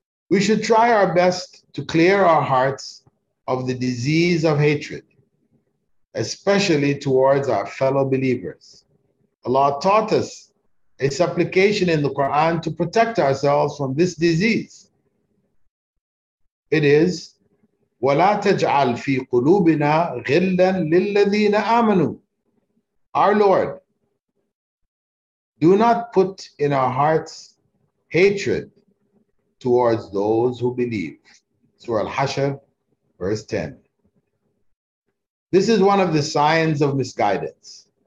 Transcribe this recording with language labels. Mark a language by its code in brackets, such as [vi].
[en] We should try our best to clear our hearts of the disease of hatred, especially towards our fellow believers. Allah taught us a supplication in the Quran to protect ourselves from this disease. It is, [ar] وَلَا تَجْعَلْ فِي قُلُوبِنَا غِلًّا لِلَّذِينَ آمَنُوا. [en] Our Lord, do not put in our hearts hatred towards those who believe. Surah Al-Hashr, verse 10. This is one of the signs of misguidance.